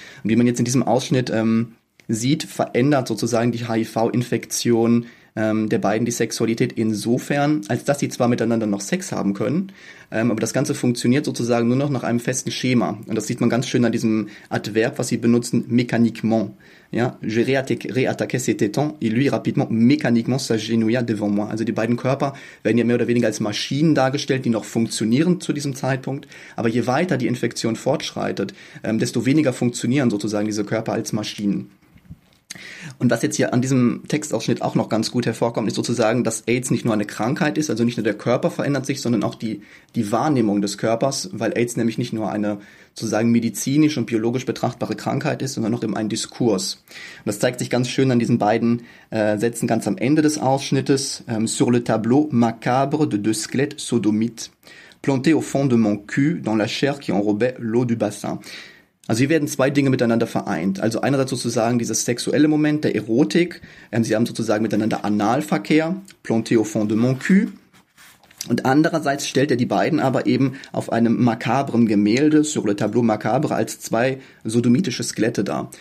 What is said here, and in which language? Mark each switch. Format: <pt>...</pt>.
<de>Und wie man jetzt in diesem Ausschnitt sieht, verändert sozusagen die HIV-Infektion der beiden die Sexualität insofern, als dass sie zwar miteinander noch Sex haben können, aber das Ganze funktioniert sozusagen nur noch nach einem festen Schema. Und das sieht man ganz schön an diesem Adverb, was sie benutzen, mécaniquement.</de> <fr>Ja, je réattaquais ses tétons, et lui rapidement, mécaniquement, s'agenouilla devant moi.</fr> <de>Also die beiden Körper werden ja mehr oder weniger als Maschinen dargestellt, die noch funktionieren zu diesem Zeitpunkt. Aber je weiter die Infektion fortschreitet, desto weniger funktionieren sozusagen diese Körper als Maschinen. Und was jetzt hier an diesem Textausschnitt auch noch ganz gut hervorkommt, ist sozusagen, dass AIDS nicht nur eine Krankheit ist, also nicht nur der Körper verändert sich, sondern auch die Wahrnehmung des Körpers, weil AIDS nämlich nicht nur eine sozusagen medizinisch und biologisch betrachtbare Krankheit ist, sondern auch eben ein Diskurs. Und das zeigt sich ganz schön an diesen beiden Sätzen ganz am Ende des Ausschnittes.</de> <fr>Sur le tableau macabre de deux squelettes sodomites, planté au fond de mon cul dans la chair qui enrobait l'eau du bassin.</fr> <de>Also hier werden zwei Dinge miteinander vereint. Also einerseits sozusagen dieses sexuelle Moment der Erotik. Sie haben sozusagen miteinander Analverkehr,</de> <fr>planté au fond de mon cul.</fr> <de>Und andererseits stellt er die beiden aber eben auf einem makabren Gemälde,</de> <fr>sur le tableau macabre,</fr> <de>als zwei sodomitische Skelette dar.</de>